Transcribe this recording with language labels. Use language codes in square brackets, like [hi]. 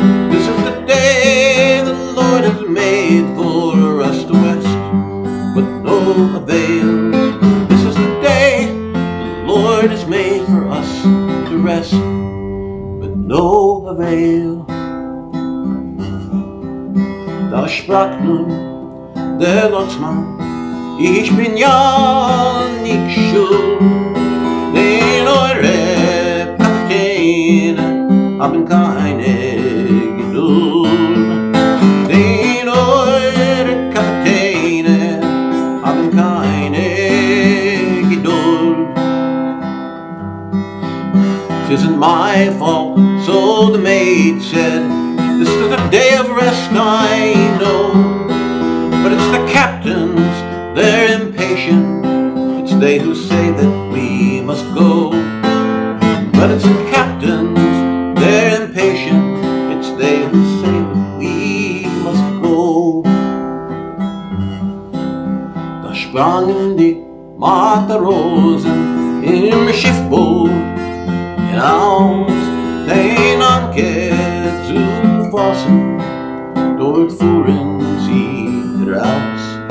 [en] This is the day the Lord has made for us to rest, but no avail. This is the day the Lord has made for us to rest, but no avail. [de] Da sprach nun der Lotsmann, ich bin ja nicht schuld, denn eure Kapitäne haben keine Geduld. Denn eure Kapitäne haben keine Geduld. [en] It isn't my fault, so the mate said, this is a day of rest, I know, but it's the captain's. They're impatient, it's they who say that we must go. But it's the captains, they're impatient, it's they who say that we must go. [de] Da sprangen die Matrosen im Schiffboot hinaus, den Anker zu fassen, dort fuhren sie raus.